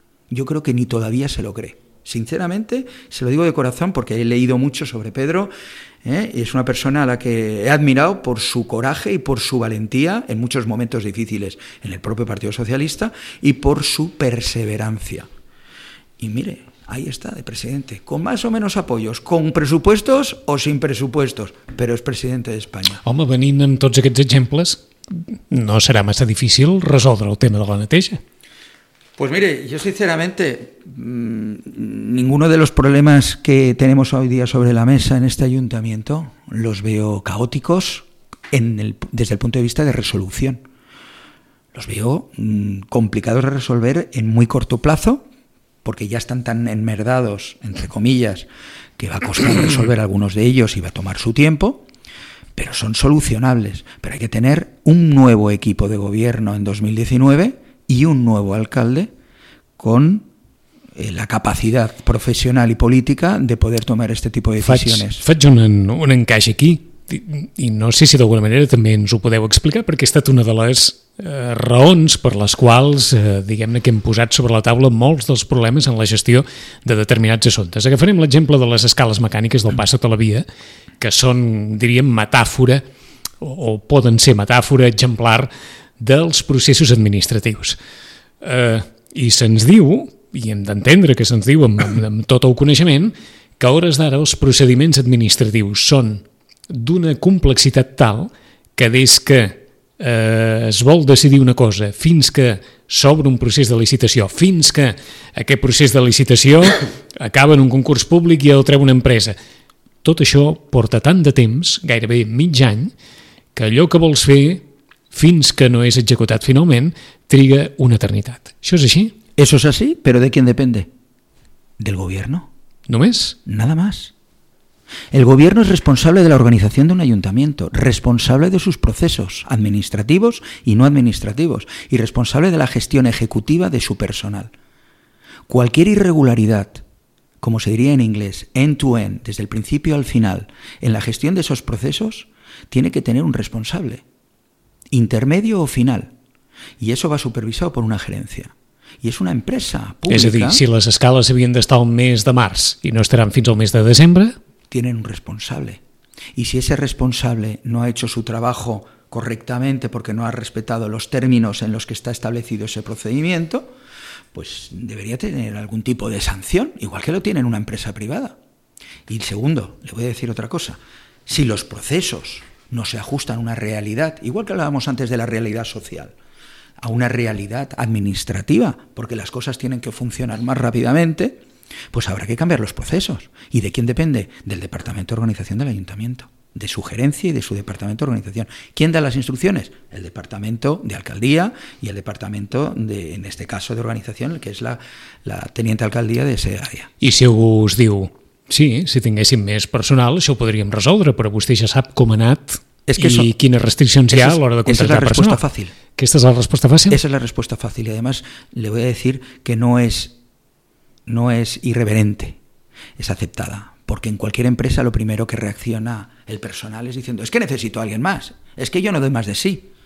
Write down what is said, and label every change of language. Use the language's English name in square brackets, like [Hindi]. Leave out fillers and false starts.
[Spanish] Yo creo que ni todavía se lo cree. Sinceramente, se lo digo de corazón porque he leído mucho sobre Pedro, y es una persona a la que he admirado por su coraje y por su valentía en muchos momentos difíciles en el propio Partido Socialista y por su perseverancia. Y mire, ahí está, de presidente, con más o menos apoyos, con presupuestos o sin presupuestos, pero es presidente de España. [Catalan] Home, venint amb tots aquests exemples, no serà massa difícil resoldre el tema de la neteja. [Spanish] Pues mire, yo sinceramente, ninguno de los problemas que tenemos hoy día sobre la mesa en este ayuntamiento los veo caóticos desde el punto de vista de resolución. los veo complicados de resolver en muy corto plazo, porque ya están tan enmerdados, entre comillas, que va a costar resolver algunos de ellos y va a tomar su tiempo, pero son solucionables. Pero hay que tener un nuevo equipo de gobierno en 2019 y un nuevo alcalde con la capacidad profesional y política de poder tomar este tipo de decisiones. [Catalan] Faig un encaix aquí, i no sé si d'alguna manera també ens ho podeu explicar, perquè ha estat una de les raons per les quals, diguem-ne, que hem posat sobre la taula molts dels problemes en la gestió de determinats assumptes. Agafarem l'exemple de les escales mecàniques del Passat a la Via, que són, diríem, metàfora, o poden ser metàfora exemplar dels processos administratius. I se'ns diu, i hem d'entendre que se'ns diu amb tot el coneixement, que a hores d'ara els procediments administratius són d'una complexitat tal que des que es vol decidir una cosa fins que s'obre un procés de licitació, fins que aquest procés de licitació acaba en un concurs públic i el treu una empresa, tot això porta tant de temps, gairebé mig any, que allò que vols fer fins que no és executat finalment triga una eternitat. Això és així? [Spanish] Eso es así, pero ¿de quién depende? Del gobierno. [Catalan] ¿Només? [Spanish] Nada más. El gobierno es responsable de la organización de un ayuntamiento, responsable de sus procesos administrativos y no administrativos, y responsable de la gestión ejecutiva de su personal. Cualquier irregularidad, como se diría en inglés, [English] end to end, [Spanish] desde el principio al final, en la gestión de esos procesos, tiene que tener un responsable, intermedio o final, y eso va supervisado por una gerencia. [Catalan] I és una empresa pública. És a dir, si les escales havien d'estar al mes de març i no estaran fins al mes de desembre, [Spanish] tienen un responsable. Y si ese responsable no ha hecho su trabajo correctamente porque no ha respetado los términos en los que está establecido ese procedimiento, pues debería tener algún tipo de sanción, igual que lo tiene en una empresa privada. Y segundo, le voy a decir otra cosa. Si los procesos no se ajustan a una realidad, igual que hablábamos antes de la realidad social, a una realidad administrativa, porque las cosas tienen que funcionar más rápidamente, pues habrá que cambiar los procesos. ¿Y de quién depende? Del Departamento de Organización del Ayuntamiento, de su gerencia y de su Departamento de Organización. ¿Quién da las instrucciones? El Departamento de Alcaldía y el Departamento, de, en este caso, de Organización, que es la Teniente Alcaldía de ese área. [Catalan] ¿Y si algú us diu, sí, si tinguéssim més personal, això ho podríem resoldre, però vostè ja sap com ha anat? Es que ¿Y quines restriccions hi ha a l'hora de contractar personal? [Spanish] Esa es la respuesta fácil. ¿Esta es la respuesta fácil? Esa es la respuesta fácil. Y además le voy a decir que no es irreverente, es aceptada. Porque en cualquier empresa lo primero que reacciona el personal es diciendo, es que necesito a alguien más, es que yo no doy más de sí.